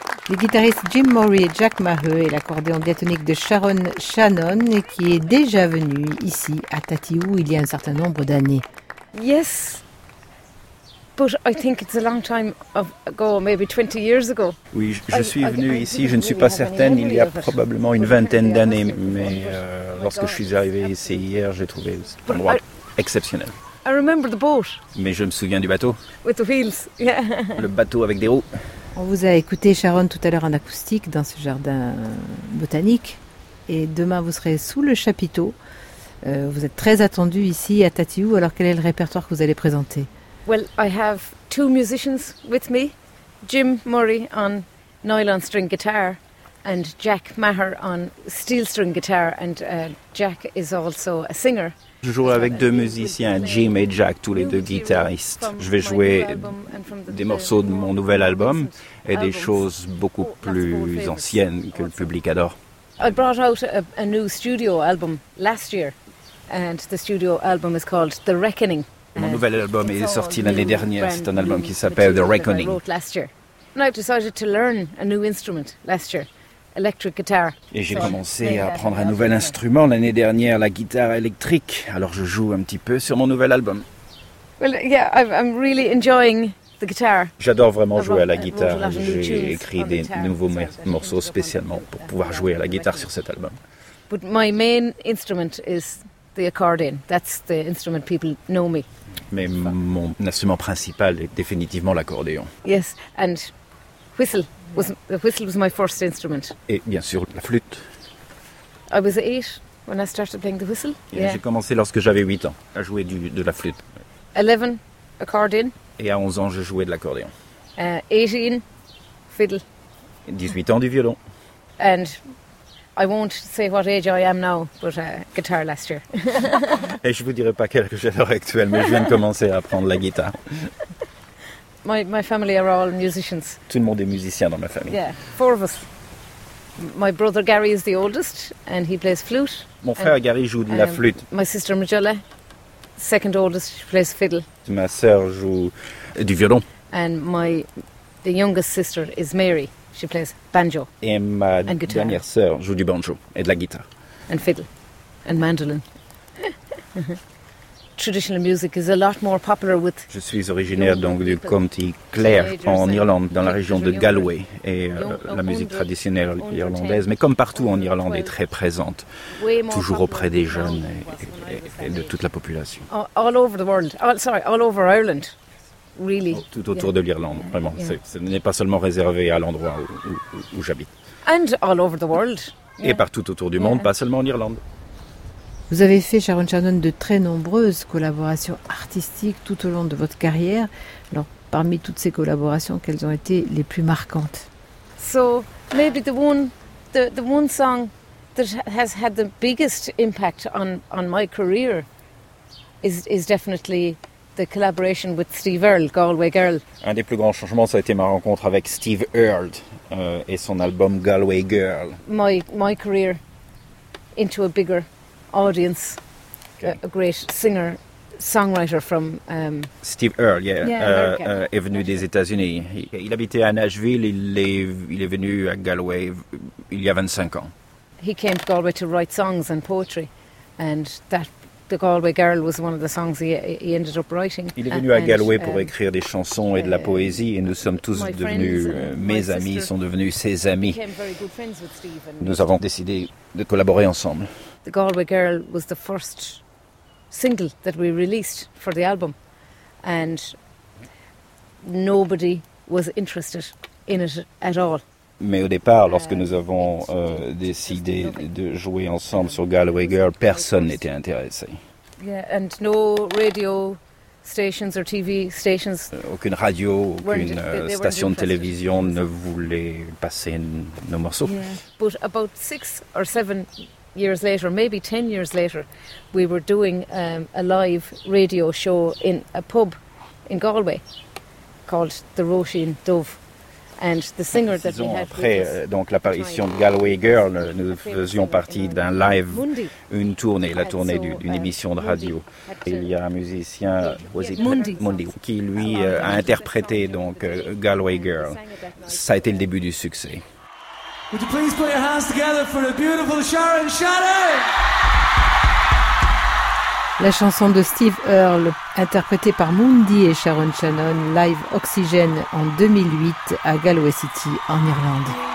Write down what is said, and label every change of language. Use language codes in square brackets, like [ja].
[fr] Les guitaristes Jim Morey et Jack Maheu et l'accordéon diatonique de Sharon Shannon qui est déjà venu ici à Tatiou il y a un certain nombre d'années. [en] Yes, but I think it's a long time ago, maybe 20 years ago. [fr] Oui, je suis venu ici, je ne suis pas certaine, il y a probablement une vingtaine d'années, mais lorsque je suis arrivé ici hier, j'ai trouvé cet endroit exceptionnel. [en] I remember the boat. [fr] Mais je me souviens du bateau. [en] With the wheels, yeah. [fr] Le bateau avec des roues. On vous a écouté, Sharon, tout à l'heure en acoustique dans ce jardin botanique. Et demain, vous serez sous le chapiteau. Vous êtes très attendu ici à Tatiou. Alors, quel est le répertoire que vous allez présenter? [en] Well, I have two musicians with me. Jim Morey on nylon string guitar and Jack Maher on steel string guitar. And Jack is also a singer. [fr] Je joue avec deux musiciens, Jim et Jack, tous les deux guitaristes. Je vais jouer des morceaux de mon nouvel album et des choses beaucoup plus anciennes que le public adore. [en] I brought out a new studio album last year, and the studio album is called The Reckoning. [fr] Mon nouvel album est sorti l'année dernière. C'est un album qui s'appelle The Reckoning. [en] And I decided to learn a new instrument last year. Electric guitar. [fr] Et j'ai commencé à apprendre un nouvel instrument l'année dernière, la guitare électrique. Alors je joue un petit peu sur mon nouvel album. [en] Well, yeah, I'm really enjoying the guitar. [fr] J'adore vraiment jouer à la guitare. J'ai écrit des nouveaux morceaux spécialement pour pouvoir jouer à la guitare sur cet album. [en] But my main instrument is the accordion. That's the instrument people know me. [fr] Mais mon instrument principal est définitivement l'accordéon. [en] Yes, and whistle. The whistle was my first instrument. [fr] Et bien sûr, la flûte. [en] I was 8 when I started playing the whistle. Yeah. [fr] J'ai commencé lorsque j'avais 8 ans à jouer de la flûte. [en] 11, accordion. [fr] Et à 11 ans, je jouais de l'accordéon. [en] 18, fiddle. [fr] Et 18 ans, du violon. [en] And I won't say what age I am now, but guitar last year. [fr] Et je ne vous dirai pas quel âge j'ai l'heure actuelle, mais je viens de commencer à apprendre la guitare. [en] My family are all musicians. [fr] Tout le monde est musicien dans ma famille. [en] Yeah, 4 of us. My brother Gary is the oldest and he plays flute. [fr] Mon frère Gary joue de la flûte. [en] My sister Majella, second oldest, she plays fiddle. [fr] Ma sœur joue du violon. [en] And the youngest sister is Mary, she plays banjo. [fr] Et ma dernière sœur joue du banjo et de la guitare. [en] And fiddle and mandolin. traditional music is a lot more popular with. [fr] Je suis originaire donc du comté Clare en Irlande, dans la région de Galway, et la musique traditionnelle irlandaise, mais comme partout en Irlande, est très présente, toujours auprès des jeunes et de toute la population. [en] All over the world, all over Ireland, really. [fr] Tout autour de l'Irlande, vraiment. Ce n'est pas seulement réservé à l'endroit où j'habite. [en] And all over the world. [fr] Et partout autour du monde, pas seulement en Irlande. Vous avez fait, Sharon Shannon, de très nombreuses collaborations artistiques tout au long de votre carrière. Alors, parmi toutes ces collaborations, quelles ont été les plus marquantes? [en] So, maybe the one song that has had the biggest impact on my career is definitely the collaboration with Steve Earle, Galway Girl. [fr] Un des plus grands changements, ça a été ma rencontre avec Steve Earle et son album Galway Girl. [en] My career into a bigger audience, a great singer, songwriter from [fr] Steve Earle, est venu des États-Unis. Il habitait à Nashville. Il est venu à Galway il y a 25 ans. [en] He came to Galway to write songs and poetry, and that the Galway Girl was one of the songs he ended up writing. [fr] Il est venu à Galway pour écrire des chansons et de la poésie, et nous sommes tous devenus mes amis, sont devenus ses amis. Nous avons décidé de collaborer ensemble. [en] The Galway Girl was the first single that we released for the album, and nobody was interested in it at all. [fr] Mais au départ, lorsque nous avons décidé de jouer ensemble sur Galway Girl, personne n'était intéressé. [en] Yeah, and no radio stations or TV stations. [fr] Aucune radio, aucune station de télévision ne voulait passer nos morceaux. [en] Yeah. But about 6 or 7 years later, maybe 10 years later, we were doing a live radio show in a pub in Galway called the Roisin Dove. And the singer that we had [fr] après donc l'apparition de Galway Girl, nous faisions partie d'un live, une tournée, la tournée d'une émission de radio. Il y a un musicien, Mundi, qui lui a interprété donc Galway Girl. Ça a été le début du succès. [en] Would you please put your hands together for the beautiful Sharon Shannon? [fr] La chanson de Steve Earle, interprétée par Mundi et Sharon Shannon, live Oxygen en 2008 à Galway City en Irlande.